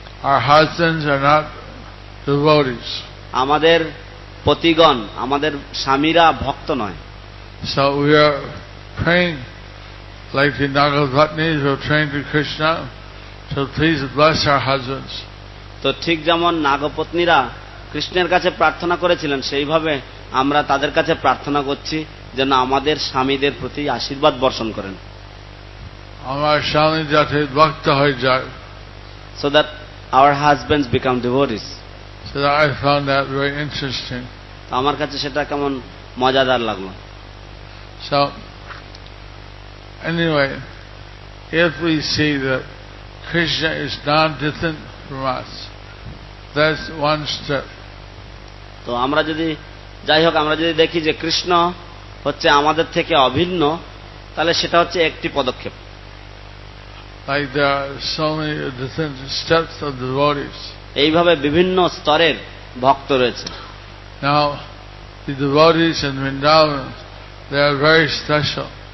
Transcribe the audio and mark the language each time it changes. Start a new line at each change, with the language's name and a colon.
English: Our husbands are not devotees.
Bangla: আমাদের পতিগণ আমাদের স্বামীরা ভক্ত নয়।
English: So we are praying like the Nagapatnis are praying to Krishna. So please bless our husbands.
Bangla: তো ঠিক যেমন নাগপত্নীরা কৃষ্ণের কাছে প্রার্থনা করেছিলেন সেইভাবে আমরা তাদের কাছে প্রার্থনা করছি যেন আমাদের স্বামীদের প্রতি আশীর্বাদ বর্ষণ করেন। আমার স্বামী যাতে ভক্ত হয়ে যায়।
English: So that our husbands become devotees. So I found that very interesting.
Bangla: আমার কাছে সেটা কেমন মজাদার লাগলো।
English: So anyway, if we see that Krishna is non-distant from us, that's one step.
Bangla: তো আমরা যদি যাই হোক আমরা যদি দেখি যে কৃষ্ণ হচ্ছে আমাদের থেকে অভিন্ন, তাহলে সেটা হচ্ছে একটি পদক্ষেপ।
English: Like there are so many different steps of the devotees.
Bangla: এইভাবে বিভিন্ন স্তরের ভক্ত রয়েছে।
English: Now, the devotees in Vrindavan, they are very special.